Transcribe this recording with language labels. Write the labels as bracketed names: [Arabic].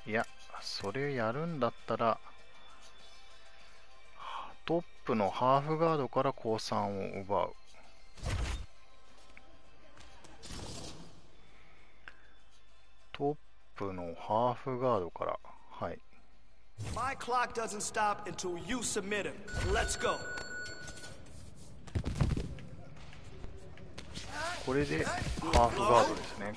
[Japanese] いや、それやるんだったらトップのハーフガードから降参を奪う。トップのハーフガードから、はい。 [English] My clock doesn't stop until you submit him. Let's go. [Japanese] これでハーフガードですね。